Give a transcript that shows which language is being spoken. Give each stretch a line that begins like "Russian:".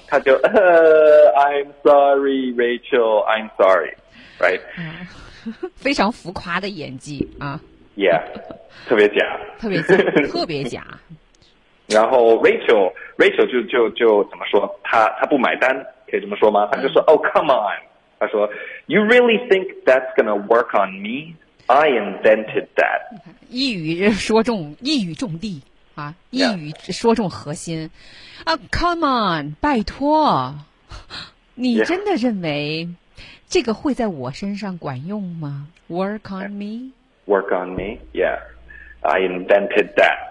Chinese: 他就
English: I'm sorry, Rachel, I'm sorry, right？
Chinese: 非常浮夸的演技啊，
English: Yeah，
Chinese: 特别假，特别假。然后 Rachel 就怎么说？他不买单，可以这么说吗？他就说
English: Oh, come on。
Chinese: 他说
English: ，You really think that's gonna work on me? I invented that.
Chinese: 一语中地啊，一语说中核心。
English: 啊、yeah. ， Come on，
Chinese: 拜托，你真的认为这个会在我身上管用吗 ？
English: Work on me. Work on me. Yeah, I invented that.